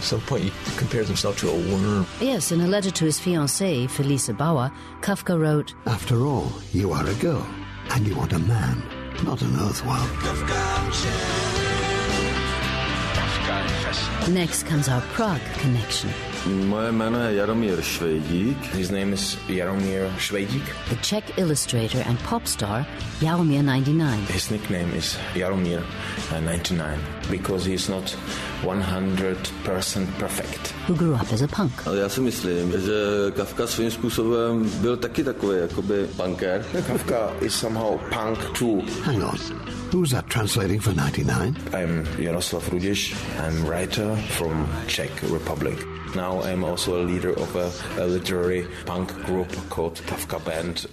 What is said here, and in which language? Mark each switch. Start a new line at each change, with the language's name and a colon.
English: At some point, he compares himself to a worm. Yes, in a letter to his fiancée, Felisa Bauer, Kafka wrote, "After all, you are a girl, and you want a man, not an earthworm." Kafka Next comes our Prague connection.
Czech: Moje jméno je Jaromír Švejdík.
English: His name is Jaromír Švejdík. The Czech illustrator and pop star Jaromír 99. His nickname is Jaromír 99 because he is not 100% perfect. Who grew up as a punk.
Czech: Ale já si myslím, že Kafka svým způsobem byl taky takový jakoby punker.
English: Kafka is somehow punk too. Hang on. Who's that translating for 99? I'm Jaroslav Rudiš. I'm writer from Czech Republic. Now I'm also a leader of a literary punk group called Kafka Band.